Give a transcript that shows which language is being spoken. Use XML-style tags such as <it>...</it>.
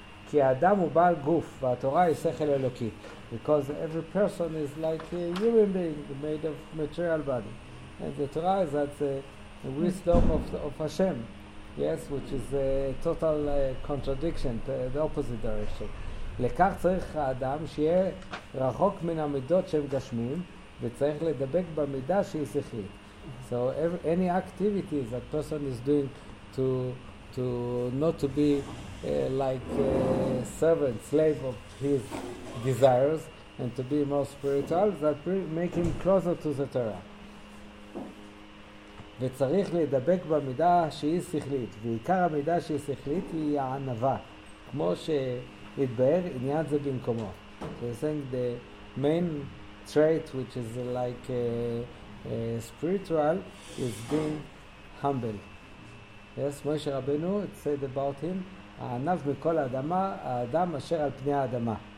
<he>כי האדם הוא בעל גוף והתורה היא שכל אלוקי.</he> <en>Because every person is like a human being made of material body. And the Torah is that the wisdom of Hashem, yes, which is a total contradiction, the opposite direction.</en> <he>לכך צריך האדם שיהיה רחוק מן המידות שהם גשמיים, וצריך לדבק במידה שהיא שכלית.</he> <en>So any activity that person is doing to not to be like a servant, slave of his desires, and to be more spiritual, that make him closer to the Torah.</en> <he>וצריך לדבק במידה שהיא שכלית, ועיקר המידה שהיא שכלית היא הענבה, כמו שהתבהר עניין זה במקומו.</he> <en>So I think the main trait which is like spiritual is being humble. Yes, Moshe Rabbeinu, it said about him,</en> <he>הענב מכל האדמה, האדם אשר על פני האדמה.</he>